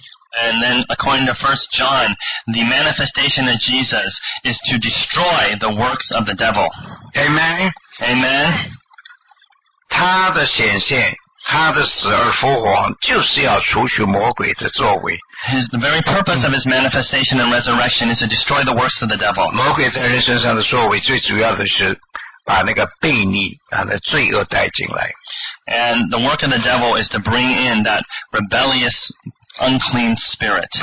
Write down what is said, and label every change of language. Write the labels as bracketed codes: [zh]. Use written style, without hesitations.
[en] And then according to 1 John, the manifestation of Jesus is to destroy the works of the devil. Amen. Amen. [zh] 他的显现他的死而复活就是要除去魔鬼的作为。 [en] The very purpose of his manifestation and resurrection is to destroy the works of the devil. [zh] 魔鬼在人身上的作为最主要的是把那个悖逆把那罪恶带进来。 [en] And the work of the devil is to bring in that rebellious unclean spirit.